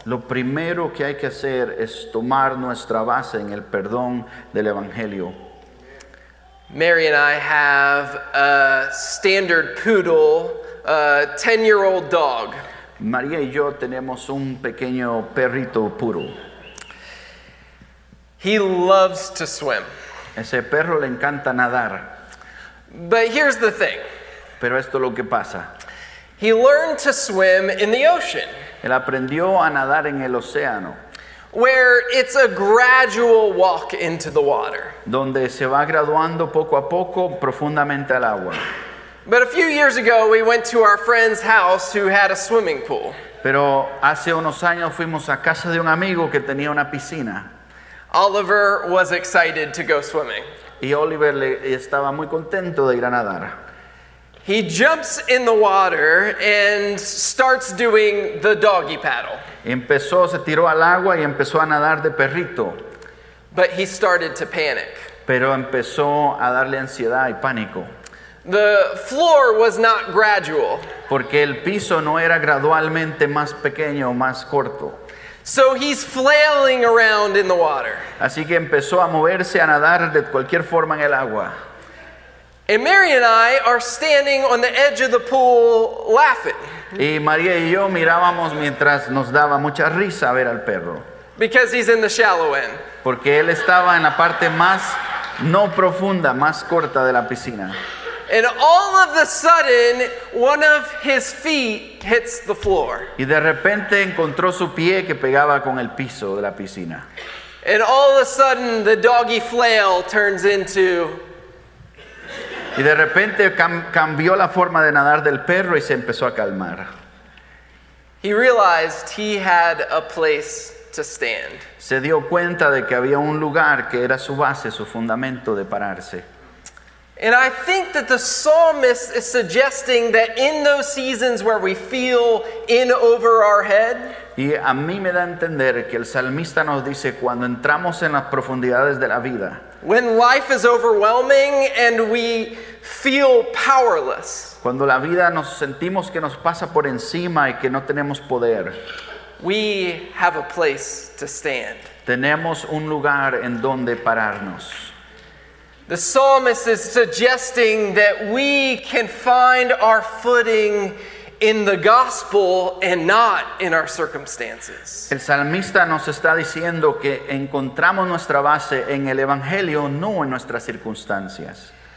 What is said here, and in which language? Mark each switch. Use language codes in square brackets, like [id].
[es] Lo primero que hay que hacer es tomar nuestra base en el perdón del evangelio. [en] Mary and I have a standard poodle, a 10-year-old dog. [es] María y yo tenemos un pequeño perrito poodle. [en] He loves to swim. [es] Ese perro le encanta nadar. [en] But here's the thing. [es] Pero esto es lo que pasa. [en] He learned to swim in the ocean. [es] Él aprendió a nadar en el océano. [en] Where it's a gradual walk into the water. [es] Donde se va graduando poco a poco profundamente al agua. [en] But a few years ago we went to our friend's house who had a swimming pool. [es] Pero hace unos años fuimos a casa de un amigo que tenía una piscina. [en] Oliver was excited to go swimming. [es] Y Oliver estaba muy contento de ir a nadar. [en] He jumps in the water and starts doing the doggy paddle. [es] Empezó, se tiró al agua y empezó a nadar de perrito. [en] But he started to panic. [es] Pero empezó a darle ansiedad y pánico. [en] The floor was not gradual. [es] Porque el piso no era gradualmente más pequeño o más corto. [en] So he's flailing around in the water. [es] Así que empezó a moverse, a nadar de cualquier forma en el agua. [en] And Mary and I are standing on the edge of the pool laughing. [es] Y María y yo mirábamos mientras nos daba mucha risa ver al perro. [en] Because he's in the shallow end. [es] Porque él estaba en la parte más no profunda, más corta de la piscina. [en] And all of a sudden, one of his feet hits the floor. [es] Y de repente encontró su pie que pegaba con el piso de la piscina. [en] And all of a sudden, the doggy flail turns into... [es] Y de repente cambió la forma de nadar del perro y se empezó a calmar. [en] He realized he had a place to stand. [es] Se dio cuenta de que había un lugar que era su base, su fundamento de pararse. [en] And I think that the psalmist is suggesting that in those seasons where we feel in over our head. [es] Y a mí me da a entender que el salmista nos dice cuando entramos en las profundidades de la vida. [en] When life is overwhelming and we feel powerless. [es] Cuando la vida nos sentimos que nos pasa por encima y que no tenemos poder. [en] We have a place to stand. [es] Tenemos un lugar en donde pararnos. [en] The psalmist is suggesting that we can find our footing in the gospel and not in our circumstances. [es] El salmista nos está diciendo que encontramos nuestra base en el evangelio, no en nuestras circunstancias.